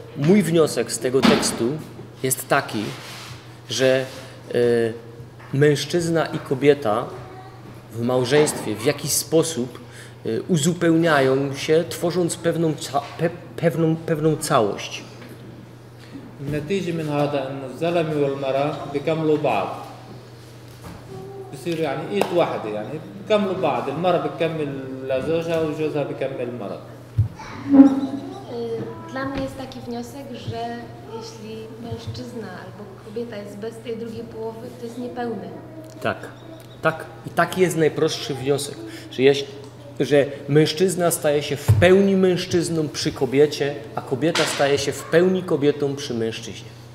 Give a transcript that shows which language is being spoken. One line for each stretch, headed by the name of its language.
Polish: mój wniosek z tego tekstu jest taki, że mężczyzna i kobieta w małżeństwie w jakiś sposób uzupełniają się, tworząc pewną, pewną całość.
Arabic: النتيجة من هذا أن الزلمة والمرأة بيكملوا بعض. بصير يعني إيد واحدة يعني بيكملوا بعض. المرأة بتكمل لزوجها وزوجها بيكمل المرأة.
Polish: Dla mnie jest taki wniosek, że jeśli mężczyzna albo kobieta jest bez tej drugiej połowy, to jest niepełny. Tak, tak. I taki jest najprostszy wniosek, że jeśli że mężczyzna staje się w pełni mężczyzną przy kobiecie, a kobieta staje się w pełni kobietą przy mężczyźnie.